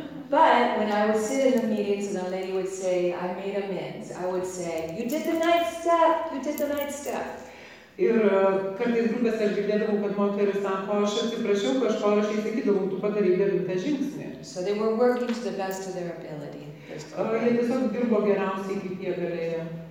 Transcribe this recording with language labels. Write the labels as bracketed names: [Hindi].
[English] But when I would sit in the meetings and a lady would say, I made amends, I would say, you did the ninth step, you did the ninth step. [Lithuanian] Ir kartais grupės aš girdėdavau, kad moteris sako, aš atsiprašiau kažko, aš įsakydavau, tu padarei 9 žingsnį. [English] So they were working to the best of their ability. [Lithuanian] Jie tiesiog dirbo geriausiai, kaip jie galėjo.